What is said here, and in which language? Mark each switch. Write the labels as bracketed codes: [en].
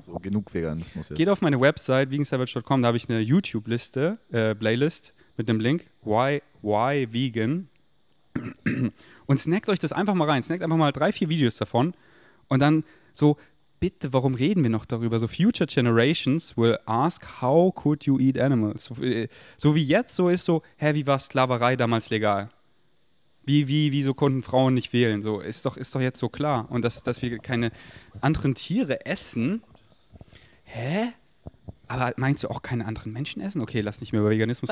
[de] So, genug Veganismus jetzt. Geht auf meine Website, vegansavage.com, da habe ich eine YouTube-Liste, Playlist mit dem Link, Why Vegan. Und snackt euch das einfach mal rein, snackt einfach mal 3-4 Videos davon und dann so, bitte, warum reden wir noch darüber? [en] So, future generations will ask, how could you eat animals? [de] So wie jetzt, so ist so, hä, wie war Sklaverei damals legal? Wieso konnten Frauen nicht wählen? So, ist doch jetzt so klar. Und dass wir keine anderen Tiere essen. Hä? Aber meinst du auch keine anderen Menschen essen? Okay, lass nicht mehr über Veganismus